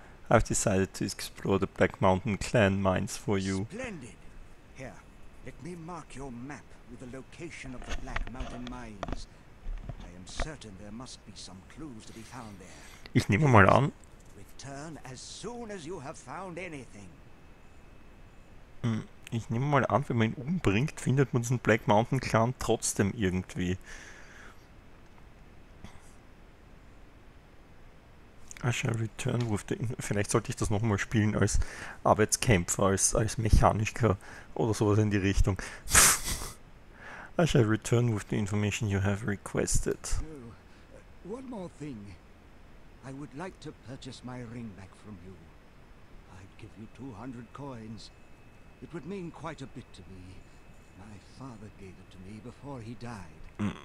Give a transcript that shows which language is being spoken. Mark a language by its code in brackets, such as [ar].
[en] I've decided to explore the Black Mountain Clan mines for you. Splendid. Here, let me mark your map with the location of the Black Mountain mines. I am certain there must be some clues to be found there. [de] Ich nehme mal an. [en] Return as soon as you have found anything. [de] Ich nehme mal an, wenn man ihn umbringt, findet man diesen Black Mountain Clan trotzdem irgendwie. [en] I shall return with the. [de] Vielleicht sollte ich das nochmal spielen als Arbeitskämpfer, als Mechaniker oder sowas in die Richtung. [en] I shall return with the information you have requested. Oh, one more thing. I would like to purchase my ring back from you. I'd give you 200 coins. It would mean quite a bit to me. My father gave it to me before he died.